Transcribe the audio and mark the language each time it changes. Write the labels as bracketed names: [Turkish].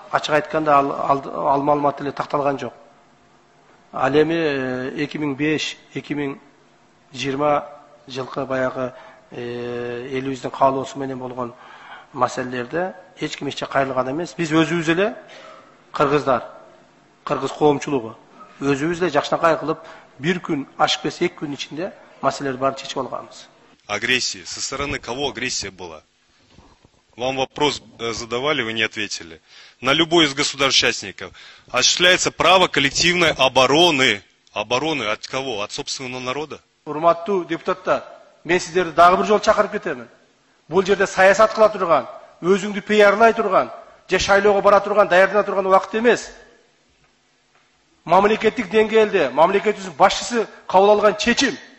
[Kyrgyz] Ачык айтканда ал маалымат эле такталган жок. Ал эми 2005-2020 жылкы баягы элибиздин каалоосу менен болгон маселелерде эч ким эчке кайрылган эмес. Биз өзүбүз эле кыргыздар, кыргыз коомчулугу өзүбүз эле жакшынакай кылып бир күн ашып кетсе эки күн ичинде маселелерди баарын чечип алганбыз. [Russian] Агрессия. Со стороны кого агрессия была? Вам вопрос задавали, вы не ответили. На любой из государств-участников осуществляется право коллективной обороны. Обороны от кого? От собственного народа? [Kyrgyz] Урматтуу депутаттар, мен сиздерди дагы бир жолу чакырып кетемин. Бул жерде саясат кыла турган, өзүңдү пиарлай турган же шайлоого бара турган, даярдана турган убакыт эмес. Мамлекеттик деңгээлде мамлекетибиздин башчысы кабыл алган чечим.